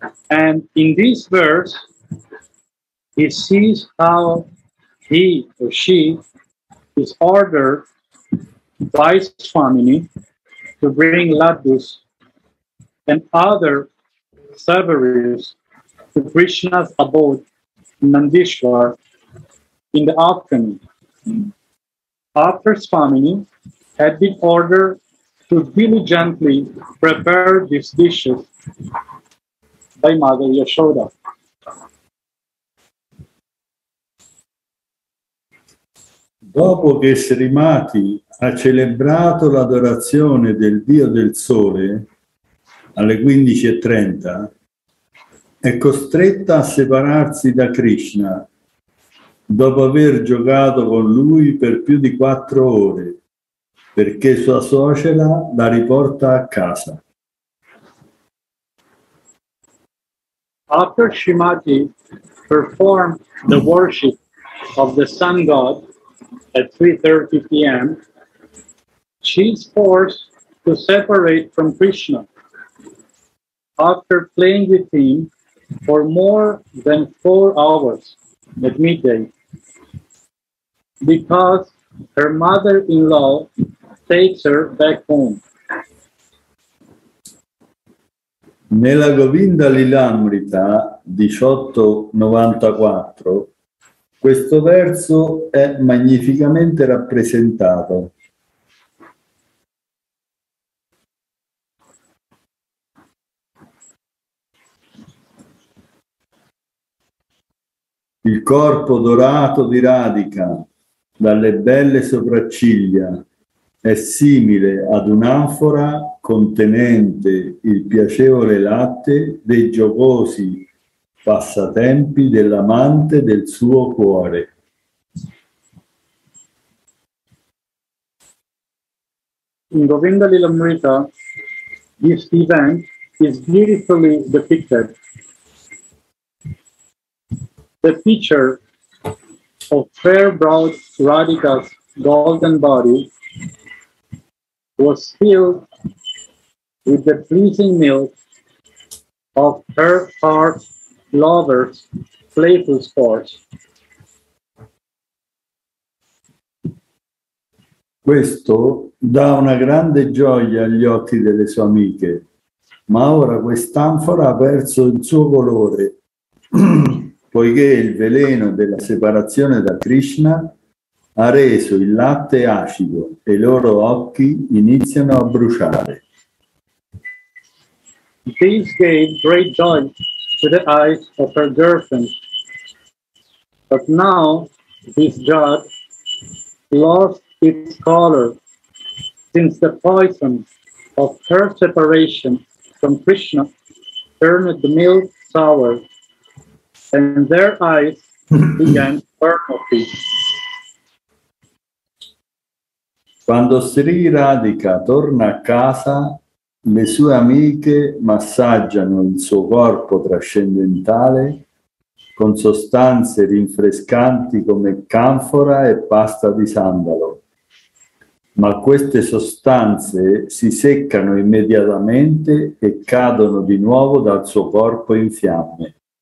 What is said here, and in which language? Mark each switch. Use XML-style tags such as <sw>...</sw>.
<en>And in this verse, he sees how he or she is ordered by Swamini to bring laddus and other savories to Krishna's abode, Nandishwar, in the afternoon. After Swamini had been ordered to diligently prepare these dishes by Mother Yashoda.</en> <it>Dopo che Srimati ha celebrato l'adorazione del Dio del Sole alle 15:30, è costretta a separarsi da Krishna dopo aver giocato con lui per più di 4 ore, perché sua suocera la riporta a casa.</it> <en>After Srimati performed the worship of the sun god at 3:30 p.m., she is forced to separate from Krishna after playing with him for more than 4 hours at midday, because her mother-in-law takes her back home.</en> <it>Nella Govinda Lilamrita 18:94, questo verso è magnificamente rappresentato. Il corpo dorato di Radhika, dalle belle sopracciglia, è simile ad un'anfora contenente il piacevole latte dei giocosi passatempi dell'amante del suo cuore.</it> <en>In Govinda Lilamrita, this event is beautifully depicted. The picture of fair-browed Radhika's golden body was filled with the pleasing milk of her heart lover's playful sports.</en> <it>Questo dà una grande gioia agli occhi delle sue amiche, ma ora quest'anfora ha perso il suo colore, poiché il veleno della separazione da Krishna ha reso il latte acido e i loro occhi iniziano a bruciare.</it> <en>This gave great joy to the eyes of her girlfriend, but now this drug lost its color since the poison of her separation from Krishna turned the milk sour and their eyes began burning.</en> <it>Quando Sri Radhika torna a casa, le sue amiche massaggiano il suo corpo trascendentale con sostanze rinfrescanti come canfora e pasta di sandalo, ma queste sostanze si seccano immediatamente e cadono di nuovo dal suo corpo in fiamme.</it>